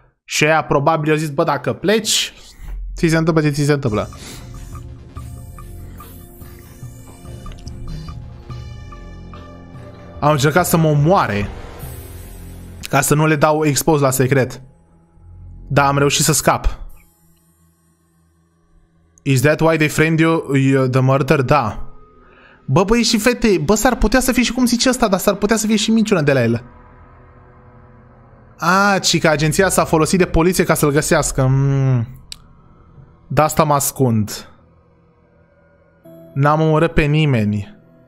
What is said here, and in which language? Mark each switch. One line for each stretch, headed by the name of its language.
Romanian: Și aia probabil a zis, bă, dacă pleci, ți se întâmplă, ți se întâmplă. Am încercat să mă omoare. Ca să nu le dau expose la secret. Dar am reușit să scap.
English: Is that why they framed you the murder?
Romanian: Da. Bă, băi și fete, bă, s-ar putea să fie și cum zice ăsta, dar s-ar putea să fie și minciună de la el. Ah, ci că agenția s-a folosit de poliție ca să-l găsească. De asta mă ascund. N-am omorât pe nimeni.